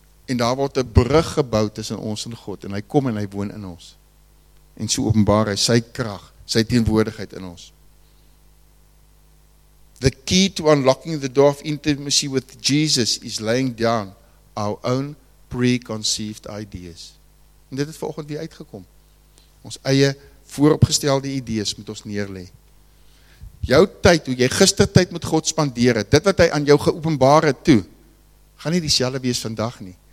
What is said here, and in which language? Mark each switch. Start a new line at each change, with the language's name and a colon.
Afrikaans: En daar word 'n brug gebou tussen ons en God, en hy kom en hy woon in ons. En so openbaar hy sy krag, sy teenwoordigheid in ons.
English: The key to unlocking the door of intimacy with Jesus is laying down our own preconceived ideas.
Afrikaans: En dit het vanoggend weer uitgekom. Ons eie vooropgestelde idees moet ons neerlê. Jou tyd, hoe jy gister tyd met God spandeer het, dit wat hy aan jou geopenbaar het toe, gaan nie dieselfde wees vandag nie.